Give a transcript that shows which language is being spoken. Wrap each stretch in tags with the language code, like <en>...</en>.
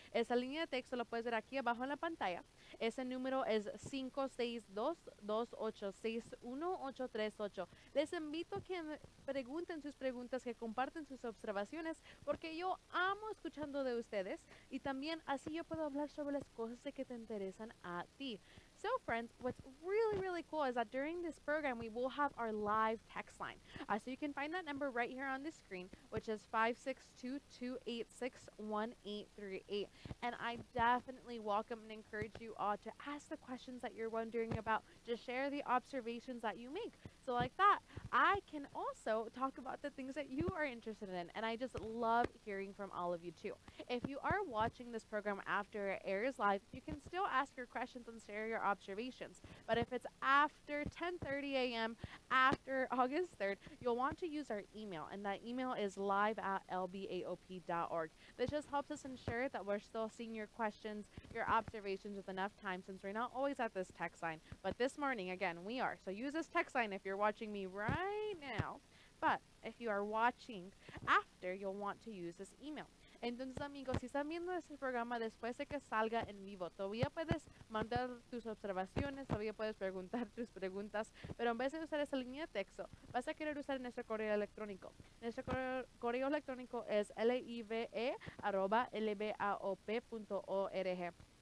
<es>Esa línea de texto la puedes ver aquí abajo en la pantalla. Ese número es 562-286-1838. Les invito a que pregunten sus preguntas, que comparten sus observaciones, porque yo amo escuchando de ustedes. Y también así yo puedo hablar sobre las cosas que te interesan a ti.</es> <en>So friends, what's really, really cool is that during this program, we will have our live text line. So you can find that number right here on the screen, which is 562-286-1838. And I definitely welcome and encourage you all to ask the questions that you're wondering about, to share the observations that you make. So like that, I can also talk about the things that you are interested in, and I just love hearing from all of you too. If you are watching this program after it airs live, you can still ask your questions and share your observations. But if it's after 10:30 a.m., after August 3rd, you'll want to use our email, and that email is live@lbaop.org. This just helps us ensure that we're still seeing your questions, your observations with enough time, since we're not always at this text line. But this morning, again, we are. So use this text line if you're watching me right now. But if you are watching after, you'll want to use this email.</en> <es>Entonces, amigos, si están viendo este programa después de que salga en vivo, todavía puedes mandar tus observaciones, todavía puedes preguntar tus preguntas, pero en vez de usar esa línea de texto, vas a querer usar nuestro correo electrónico. Nuestro correo electrónico es live@lbaop.org.</es>